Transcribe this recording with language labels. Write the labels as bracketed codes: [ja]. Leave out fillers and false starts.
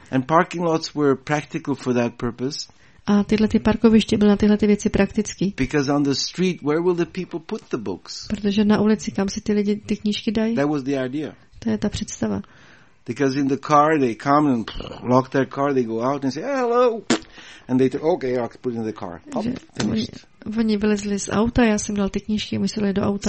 [en] And parking lots were practical for that purpose. [cs] A tyhle ty parkoviště byly na tyhle ty věci praktický. [en] Because on the street, where will the people put the books? [cs] Protože na ulici, kam si ty lidi ty knížky dají? [en] That was the idea. [cs] To je ta představa. [en] Because in the car they come and lock their car, they go out and say hello, and they say okay, I'll put it in the car. [cs] Oni vylezli z auta, já jsem dal ty knížky, my jsme do auta.